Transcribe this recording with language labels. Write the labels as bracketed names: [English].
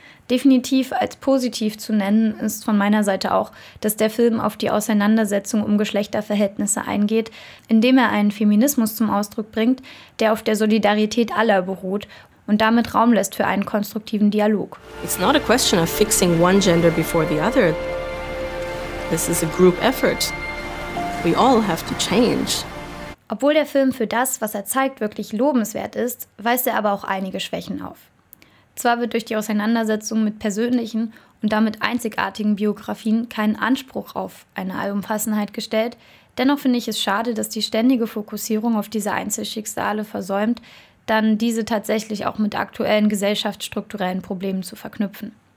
[German] Definitiv als positiv zu nennen ist von meiner Seite auch, dass der Film auf die Auseinandersetzung um Geschlechterverhältnisse eingeht, indem er einen Feminismus zum Ausdruck bringt, der auf der Solidarität aller beruht und damit Raum lässt für einen konstruktiven Dialog. [English] It's not a question of fixing one gender before the other. This is a group effort. We all have to change. [German] Obwohl der Film für das, was er zeigt, wirklich lobenswert ist, weist er aber auch einige Schwächen auf. Zwar wird durch die Auseinandersetzung mit persönlichen und damit einzigartigen Biografien kein Anspruch auf eine Allumfassenheit gestellt, dennoch finde ich es schade, dass die ständige Fokussierung auf diese Einzelschicksale versäumt, dann diese tatsächlich auch mit aktuellen gesellschaftsstrukturellen Problemen zu verknüpfen.